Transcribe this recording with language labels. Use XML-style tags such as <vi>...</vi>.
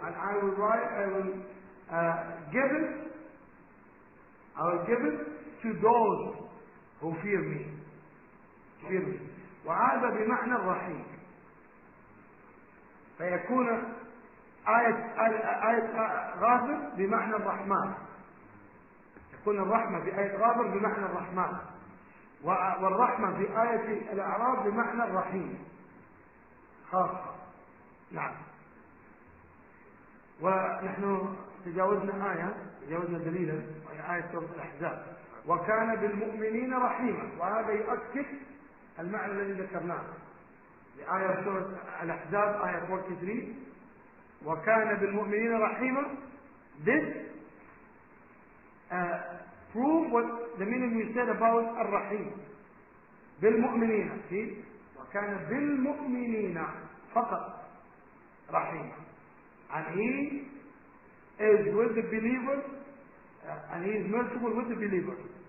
<en>And I will write, I will give it, I will give it to those who fear me. Fear me.</en> <ar>وعاد بمعنى الرحيم. فيكون آية غافر بمعنى الرحمن. تكون الرحمة في آية غافر بمعنى الرحمن. والرحمة في آية الأعراف بمعنى الرحيم. خاصة. نعم. ونحن تجاوزنا آية تجاوزنا دليلا وهي آية سورة الأحزاب وكان بالمؤمنين رحيما وهذا يؤكد المعنى الذي ذكرناه لآية سورة الأحزاب آية 43 وكان بالمؤمنين رحيما.</ar> <en>This prove what the meaning you said about</en> <ar>الرحيم بالمؤمنين.</ar> <en>See?</en> <ar>وكان بالمؤمنين فقط رحيما.</ar> <en>And he is with the believers, and he is merciful with the believers.</en>